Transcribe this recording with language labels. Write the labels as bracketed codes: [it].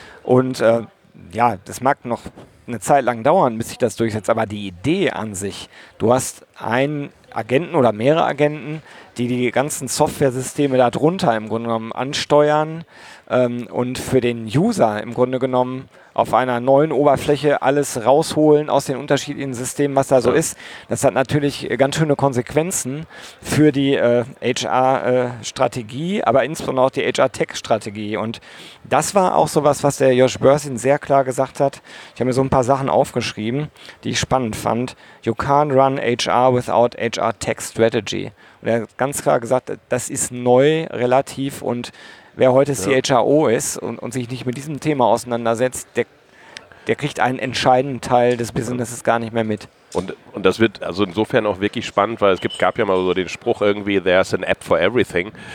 [de] Und das mag noch eine Zeit lang dauern, bis sich das durchsetzt, aber die Idee an sich, du hast einen Agenten oder mehrere Agenten, die ganzen Software-Systeme da drunter im Grunde genommen ansteuern und für den User im Grunde genommen auf einer neuen Oberfläche alles rausholen aus den unterschiedlichen Systemen, was da so ist. Das hat natürlich ganz schöne Konsequenzen für die HR-Strategie, aber insbesondere auch die HR-Tech-Strategie. Und das war auch sowas, was der Josh Bersin sehr klar gesagt hat. Ich habe mir so ein paar Sachen aufgeschrieben, die ich spannend fand. [en] You can't run HR without HR-Tech-Strategy. [de] Und er hat ganz klar gesagt, das ist neu, relativ und wer heute CHRO ist und sich nicht mit diesem Thema auseinandersetzt, der kriegt einen entscheidenden Teil des Businesses gar nicht mehr mit. Und das wird also insofern auch wirklich spannend, weil es gab ja mal so den Spruch irgendwie, [en] there's an app for everything.